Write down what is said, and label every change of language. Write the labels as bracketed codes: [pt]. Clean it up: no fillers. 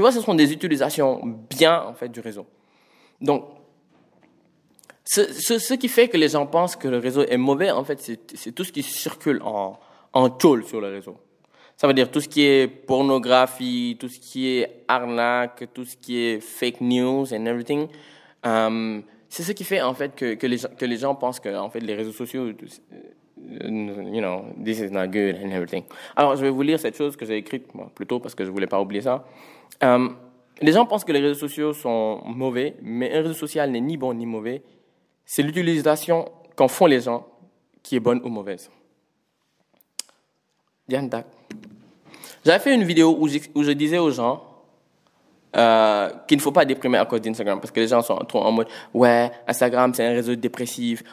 [fr] Tu vois, ce sont des utilisations bien, en fait, du réseau. Donc, ce qui fait que les gens pensent que le réseau est mauvais, en fait, c'est tout ce qui circule en tôle sur le réseau. Ça veut dire tout ce qui est pornographie, tout ce qui est arnaque, tout ce qui est fake news [en] and everything. [fr] C'est ce qui fait, en fait, que les gens pensent que, en fait, les réseaux sociaux... [en] You know, this is not good and everything. [fr] Alors, je vais vous lire cette chose que j'ai écrite, moi, plus tôt, parce que je ne voulais pas oublier ça. Les gens pensent que les réseaux sociaux sont mauvais, mais un réseau social n'est ni bon ni mauvais. C'est l'utilisation qu'en font les gens qui est bonne ou mauvaise. Diane Dac. J'avais fait une vidéo où je disais aux gens qu'il ne faut pas déprimer à cause d'Instagram, parce que les gens sont trop en mode « Ouais, Instagram, c'est un réseau dépressif.